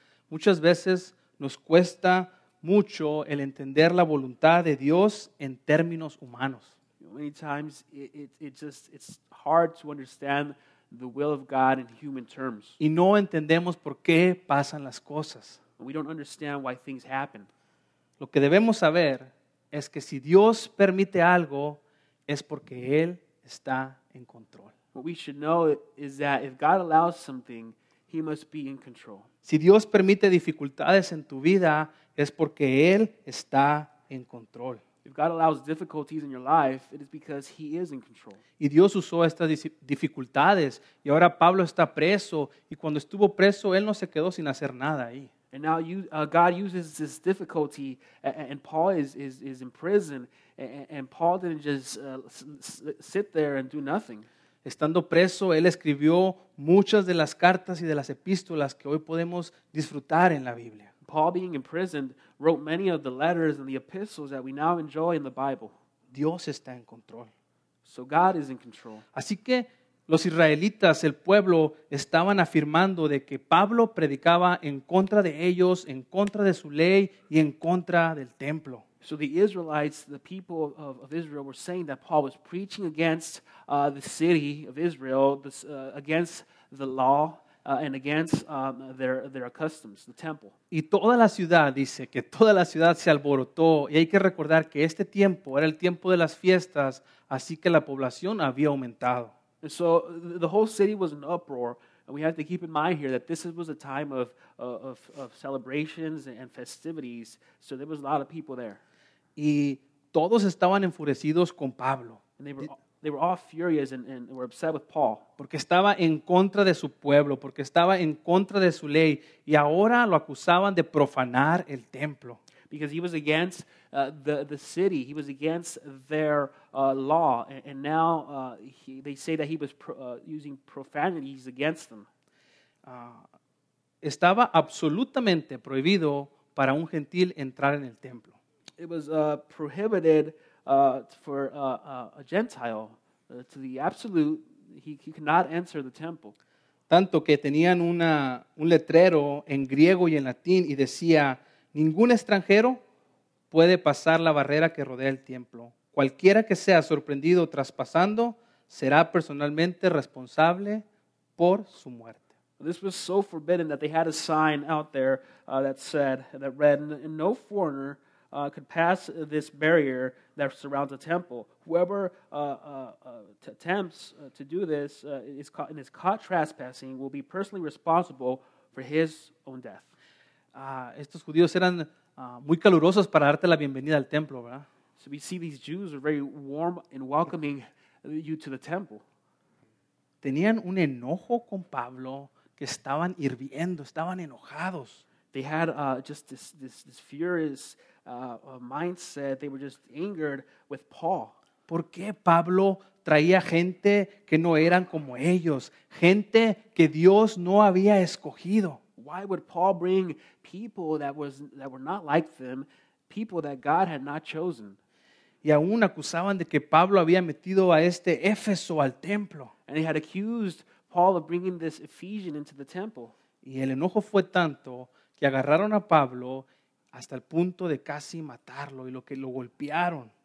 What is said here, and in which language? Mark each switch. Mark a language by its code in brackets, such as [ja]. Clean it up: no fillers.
[es] Muchas veces nos cuesta mucho el entender la voluntad de Dios en términos humanos. [en] Many times it's hard to understand the will of God in human terms. [es] Y no entendemos por qué pasan las cosas. [en] We don't understand why things happen. [es] Lo que debemos saber es que si Dios permite algo, es porque Él está en control. [en] What we should know is that if God allows something, He must be in control. [es] Si Dios permite dificultades en tu vida, es porque Él está en control. [en] If God allows difficulties in your life, it is because He is in control. [es] Y Dios usó estas dificultades, y ahora Pablo está preso, y cuando estuvo preso, Él no se quedó sin hacer nada ahí. [en] And now God uses this difficulty, and Paul is in prison, and Paul didn't just sit there and do nothing. [es] Estando preso, él escribió muchas de las cartas y de las epístolas que hoy podemos disfrutar en la Biblia. [en] Paul being imprisoned, wrote many of the letters and the epistles that we now enjoy in the Bible. [es] Dios está en control. [en] So God is in control. [es] Así que los israelitas, el pueblo, estaban afirmando de que Pablo predicaba en contra de ellos, en contra de su ley y en contra del templo. [en] So the Israelites, the people of Israel, were saying that Paul was preaching against the city of Israel, against the law, and against their customs, the temple. [es] Y toda la ciudad, dice, que toda la ciudad se alborotó. Y hay que recordar que este tiempo era el tiempo de las fiestas, así que la población había aumentado. [en] And so the whole city was in uproar. And we have to keep in mind here that this was a time of celebrations and festivities. So there was a lot of people there. [es] Y todos estaban enfurecidos con Pablo. [en] And they were all furious and were upset with Paul. [es] Porque estaba en contra de su pueblo, porque estaba en contra de su ley. Y ahora lo acusaban de profanar el templo. [en] Because he was against the city. He was against their law. And now they say that he was using profanities against them. [es] Estaba absolutamente prohibido para un gentil entrar en el templo. [en] It was prohibited for a Gentile. To the absolute, he could not enter the temple. [es] Tanto que tenían un letrero en griego y en latín y decía, ningún extranjero puede pasar la barrera que rodea el templo. Cualquiera que sea sorprendido traspasando será personalmente responsable por su muerte. [en] This was so forbidden that they had a sign out there that read, no foreigner could pass this barrier that surrounds the temple. Whoever attempts to do this is caught trespassing will be personally responsible for his own death. [es] Estos judíos eran muy calurosos para darte la bienvenida al templo, ¿verdad? [en] So we see these Jews are very warm in welcoming you to the temple. Tenían un enojo con Pablo que estaban hirviendo, estaban enojados. They had just this furious mindset. They were just angered with Paul. [es] ¿Por qué Pablo traía gente que no eran como ellos? Gente que Dios no había escogido. [en] Why would Paul bring people that were not like them, people that God had not chosen? [es] Y aún acusaban de que Pablo había metido a este Éfeso al templo. [en] And they had accused Paul of bringing this Ephesian into the temple. [es] Y el enojo fue tanto que agarraron a Pablo hasta el punto de casi matarlo y lo golpearon.